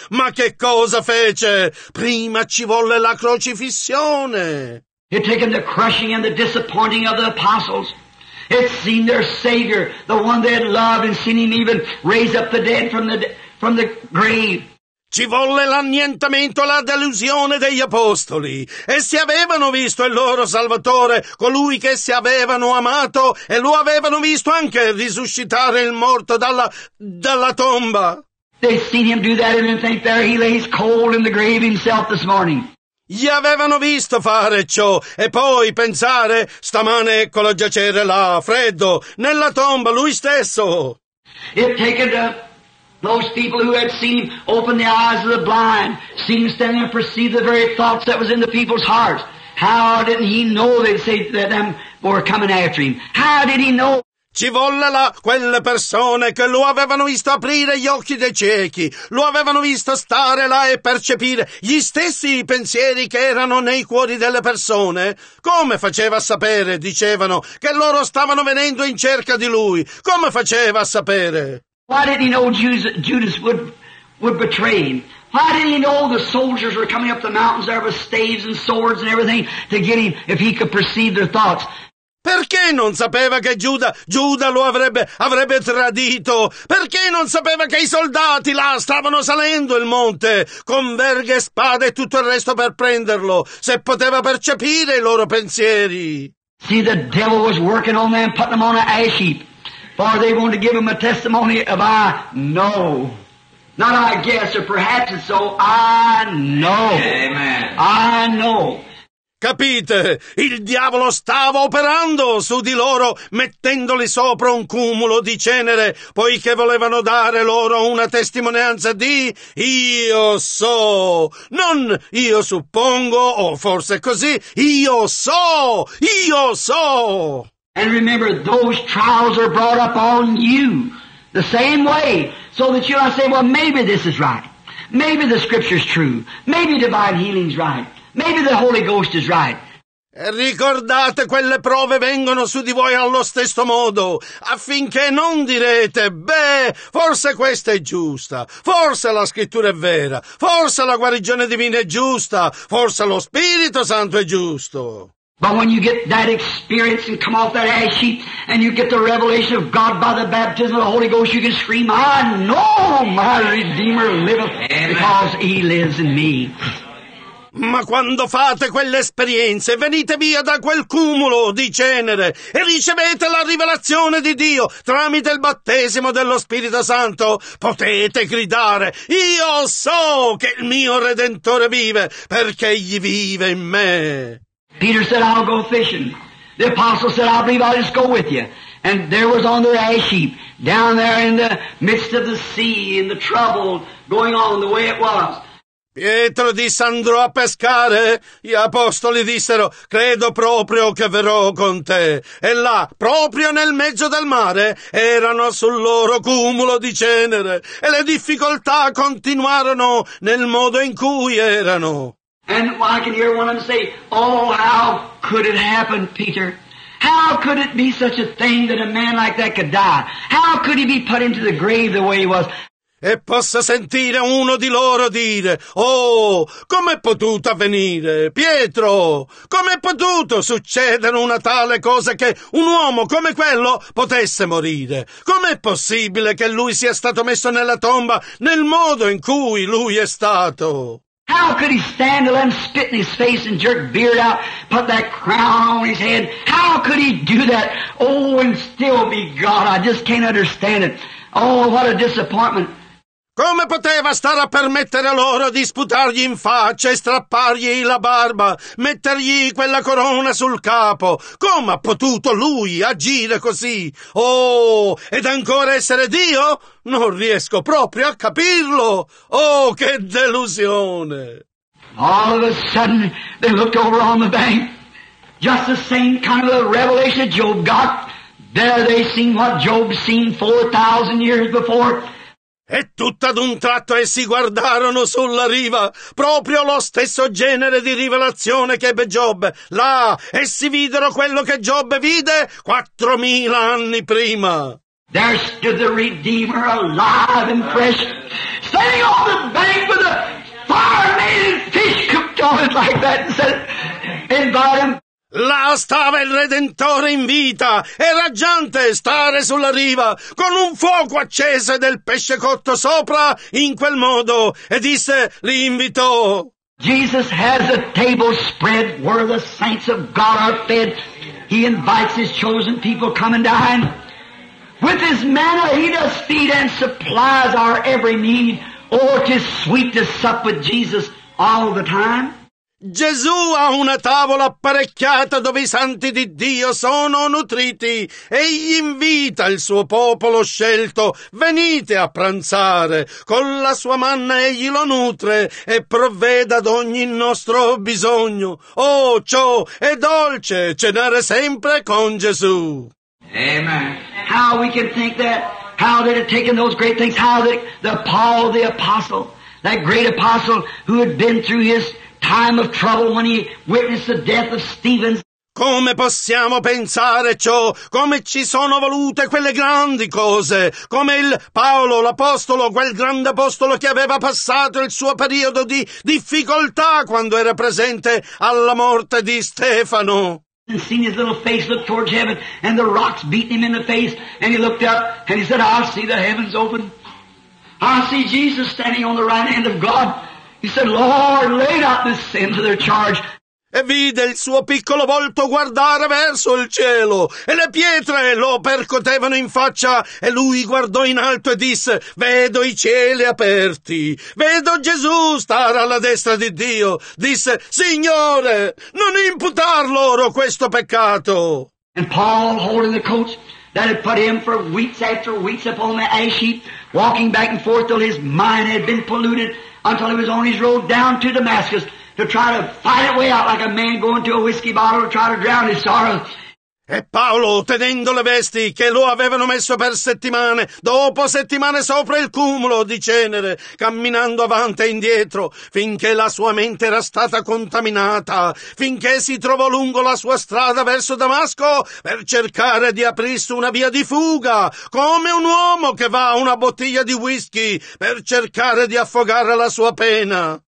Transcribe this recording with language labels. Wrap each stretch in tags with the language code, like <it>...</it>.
<it>Ma che cosa fece? Prima ci volle la crocifissione.</it> <en>It taken the crushing and the disappointing of the apostles. It seen their Savior, the one they had loved, and seen him even raise up the dead from the grave.</en> <it>Ci volle l'annientamento, la delusione degli apostoli. Essi avevano visto il loro Salvatore, colui che essi avevano amato, e lo avevano visto anche risuscitare il morto dalla tomba.</it> <en>They seen him do that and think there he lays cold in the grave himself this morning.</en> <it>Gli avevano visto fare ciò e poi pensare, stamane eccolo giacere là, freddo, nella tomba, lui stesso.</it> <en>It taken the... Those people who had seen him open the eyes of the blind, seen him standing and perceived the very thoughts that was in the people's hearts. How didn't he know they'd say that them were coming after him? How did he know?</en> <it>Ci volle là quelle persone che lo avevano visto aprire gli occhi dei ciechi, lo avevano visto stare là e percepire gli stessi pensieri che erano nei cuori delle persone. Come faceva a sapere, dicevano, che loro stavano venendo in cerca di lui? Come faceva a sapere?</it> <en>Why did he know Judas would betray him? Why did he know the soldiers were coming up the mountains there with staves and swords and everything to get him if he could perceive their thoughts?</en> <it>Perché non sapeva che Giuda lo avrebbe tradito? Perché non sapeva che i soldati là stavano salendo il monte con verghe, spade e tutto il resto per prenderlo, se poteva percepire i loro pensieri?</it> <en>See, the devil was working on them, putting them on an ash heap, for they wanted to give him a testimony of I know. Not I guess, or perhaps it's so, I know. Amen. I know.</en> <it>Capite? Il diavolo stava operando su di loro, mettendoli sopra un cumulo di cenere, poiché volevano dare loro una testimonianza di io so. Non io suppongo, o forse così, io so! Io so!</it> <en>And remember, those trials are brought up on you the same way, so that you might say, well, maybe this is right. Maybe the scripture's true. Maybe divine healing's right. Maybe the Holy Ghost is right.</en> <it>Ricordate, quelle prove vengono su di voi allo stesso modo, affinché non direte, beh, forse questa è giusta, forse la scrittura è vera, forse la guarigione divina è giusta, forse lo Spirito Santo è giusto.</it> <en>But when you get that experience and come off that ash heap and you get the revelation of God by the baptism of the Holy Ghost, you can scream, I know my Redeemer liveth because he lives in me.</en> <it>Ma quando fate quelle esperienze, venite via da quel cumulo di cenere e ricevete la rivelazione di Dio tramite il battesimo dello Spirito Santo, potete gridare, io so che il mio Redentore vive perché egli vive in me.</it> <en>Peter said, I'll go fishing. The apostle said, I believe I'll just go with you. And there was on their ash heap, down there in the midst of the sea, in the trouble, going on the way it was.</en> <it>Pietro disse, andrò a pescare. Gli apostoli dissero, credo proprio che verrò con te. E là, proprio nel mezzo del mare, erano sul loro cumulo di cenere. E le difficoltà continuarono nel modo in cui erano.</it> <en>And I can hear one of them say, oh, how could it happen, Peter? How could it be such a thing that a man like that could die? How could he be put into the grave the way he was?</en> <it>E possa sentire uno di loro dire, oh, com'è potuto avvenire, Pietro? Com'è potuto succedere una tale cosa che un uomo come quello potesse morire? Com'è possibile che lui sia stato messo nella tomba nel modo in cui lui è stato?</it> <en>How could he stand to let him spit in his face and jerk beard out, put that crown on his head? How could he do that? Oh, and still be God. I just can't understand it. Oh, what a disappointment.</en> <it>Come poteva stare a permettere loro di sputargli in faccia e strappargli la barba, mettergli quella corona sul capo? Come ha potuto lui agire così? Oh, ed ancora essere Dio? Non riesco proprio a capirlo. Oh, che delusione!</it> <en>All of a sudden, they looked over on the bank. Just the same kind of a revelation Job got. There they seen what Job seen 4,000 years before.</en> <it>E tutto ad un tratto essi guardarono sulla riva, proprio lo stesso genere di rivelazione che ebbe Giobbe. Là essi videro quello che Giobbe vide 4,000 anni prima.</it> <en>There stood the Redeemer alive and fresh, standing on the bank with a fire-made fish cooked on it like that, and said, invite him.</en> <it>Là stava il Redentore in vita, e raggiante stare sulla riva, con un fuoco acceso del pesce cotto sopra, in quel modo, e disse, li invitò.</it> <en>Jesus has a table spread where the saints of God are fed. He invites his chosen people come and dine. With his manna he does feed and supplies our every need. Oh, it is sweet to sup with Jesus all the time.</en> <it>Gesù ha una tavola apparecchiata dove i santi di Dio sono nutriti. Egli invita il suo popolo scelto, venite a pranzare. Con la sua manna egli lo nutre e provvede ad ogni nostro bisogno. Oh, ciò è dolce, cenare sempre con Gesù.</it> <en>Amen. How we can think that? How they'd have taken those great things? How the Paul the Apostle, that great apostle who had been through his time of trouble when he witnessed the death of Stephen.</en> <it>Come possiamo pensare ciò? Come ci sono volute quelle grandi cose? Come il Paolo, l'apostolo, quel grande apostolo che aveva passato il suo periodo di difficoltà quando era presente alla morte di Stefano?</it> <en>And seen his little face look towards heaven, and the rocks beating him in the face, and he looked up, and he said, I'll see the heavens open. I'll see Jesus standing on the right hand of God. He said, Lord, lay not this sin to their charge.</en> <it>E vide il suo piccolo volto guardare verso il cielo, e le pietre lo percotevano in faccia, e lui guardò in alto e disse, vedo i cieli aperti, vedo Gesù stare alla destra di Dio. Disse, Signore, non imputar loro questo peccato.</it> <en>And Paul, holding the coat that had put him for weeks after weeks upon the ash heap, walking back and forth till his mind had been polluted, until he was on his road down to Damascus, to try to fight it way out like a man going to a whiskey bottle to try to drown his sorrow.</en> <it>E Paolo, tenendo le vesti che lo avevano messo per settimane, dopo settimane sopra il cumulo di cenere, camminando avanti e indietro, finché la sua mente era stata contaminata, finché si trovò lungo la sua strada verso Damasco, per cercare di aprirsi una via di fuga, come un uomo che va a una bottiglia di whisky per cercare di affogare la sua pena.</it>